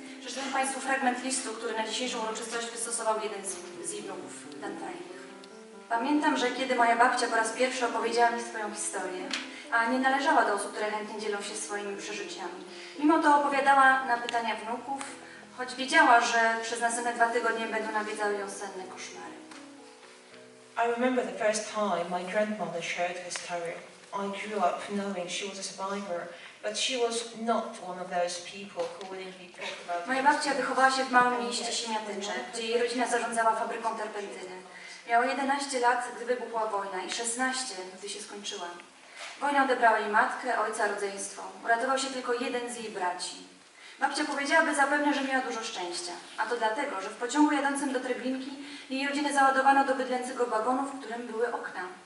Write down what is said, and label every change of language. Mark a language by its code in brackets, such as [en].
[pl] Przeczytam państwu fragment listu, który na dzisiejszą uroczystość wystosował jeden z jej wnuków, ten tajnych. Pamiętam, że kiedy moja babcia po raz pierwszy opowiedziała mi swoją historię, a nie należała do osób, które chętnie dzielą się swoimi przeżyciami. Mimo to opowiadała na pytania wnuków, choć wiedziała, że przez następne dwa tygodnie będą nawiedzały ją senne koszmary. [en] I remember the first time my grandmother shared her story. I grew up knowing she was a survivor, but she was not one of those people who willingly talked about. [pl] Moja babcia wychowała się w małym mieście Siemiatycze, gdzie jej rodzina zarządzała fabryką terpentyny. Miała 11 lat, gdy wybuchła wojna i 16, gdy się skończyła. Wojna odebrała jej matkę, ojca, rodzeństwo. Uratował się tylko jeden z jej braci. Babcia powiedziałaby zapewne, że miała dużo szczęścia. A to dlatego, że w pociągu jadącym do Treblinki jej rodzinę załadowano do bydlęcego wagonu, w którym były okna.